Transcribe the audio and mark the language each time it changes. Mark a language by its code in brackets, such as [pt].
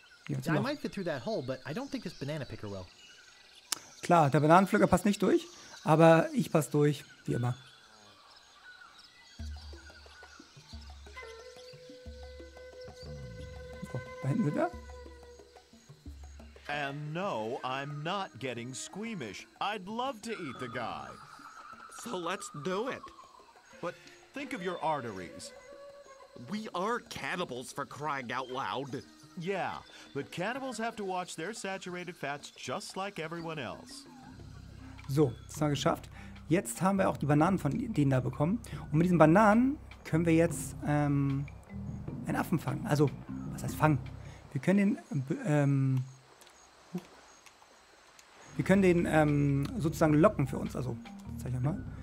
[en] I might fit through that hole, but I don't think this banana picker will. [de] Klar, der Bananenpflücker passt nicht durch, aber ich passe durch, wie immer. So, da hinten sind wir. [en] And no, I'm not getting squeamish. I'd love to eat the guy. So let's do it. But think of your arteries. We are cannibals, for crying out loud. Yeah, but cannibals have to watch their saturated fats just like everyone else. [de] So, das haben wir geschafft. Jetzt haben wir auch die Bananen von denen da bekommen. Und mit diesen Bananen können wir jetzt einen Affen fangen. Also, was heißt fangen? Wir können den... Wir können den sozusagen locken für uns, also, zeig ich euch mal.